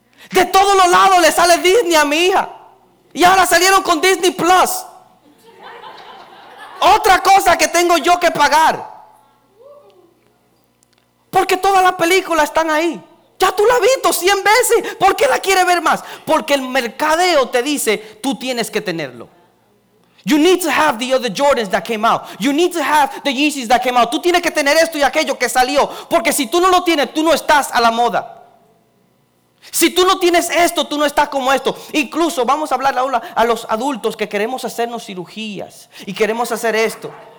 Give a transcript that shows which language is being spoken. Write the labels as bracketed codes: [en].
[es] De todos los lados le sale Disney a mi hija. Y ahora salieron con Disney Plus. Otra cosa que tengo yo que pagar. Porque todas las películas están ahí. Ya tú la has visto 100 veces. ¿Por qué la quieres ver más? Porque el mercadeo te dice, tú tienes que tenerlo. [en] You need to have the other Jordans that came out. You need to have the Yeezys that came out. [es] Tú tienes que tener esto y aquello que salió. Porque si tú no lo tienes, tú no estás a la moda. Si tú no tienes esto, tú no estás como esto. Incluso vamos a hablar ahora a los adultos que queremos hacernos cirugías y queremos hacer esto.